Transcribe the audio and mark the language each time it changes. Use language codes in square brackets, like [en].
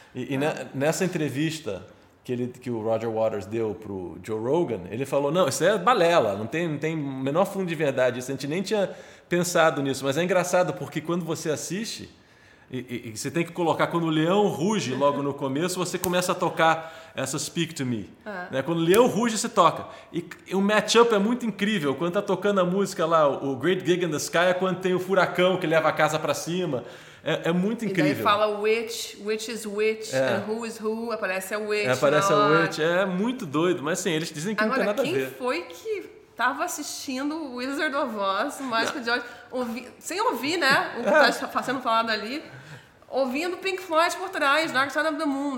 [pt] E nessa entrevista que o Roger Waters deu para o Joe Rogan, ele falou, não, isso é balela, não tem menor fundo de verdade, isso, a gente nem tinha pensado nisso, mas é engraçado porque quando você assiste, e você tem que colocar, quando o leão ruge logo no começo, você começa a tocar essa Speak to Me. Né? Quando o leão ruge, você toca. E o matchup é muito incrível, quando está tocando a música lá, o Great Gig in the Sky, é quando tem o furacão que leva a casa para cima. É muito incrível. E daí fala [en] which is which, and who is who, [pt] aparece a witch. Aparece a witch, é muito doido, mas assim, eles dizem que agora, não tem nada a ver. Agora, quem foi que estava assistindo o Wizard of Oz, o Mágico de Oz, sem ouvir, né, o que está sendo falado ali, ouvindo Pink Floyd por trás, Dark Side of the Moon,